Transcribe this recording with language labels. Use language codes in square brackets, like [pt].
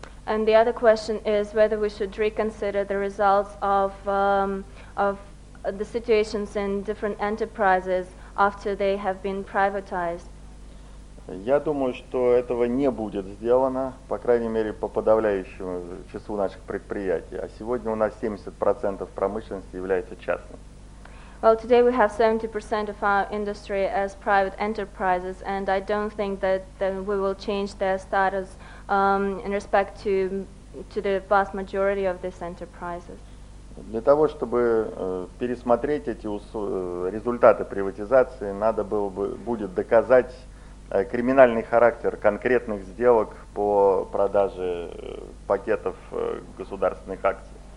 [en] And the other question is whether we should reconsider the results of the situations in different enterprises after they have been privatized. [ru] Я думаю, что этого не будет сделано, по крайней мере, по подавляющему числу наших предприятий. А сегодня у нас 70% промышленности является частным. [en] Well, today we have 70% of our industry as private enterprises, and I don't think that we will change their status in respect to the vast majority of these enterprises. [ru] Для того, чтобы пересмотреть эти результаты приватизации, надо было бы будет доказать криминальный характер конкретных сделок по продаже пакетов государственных акций.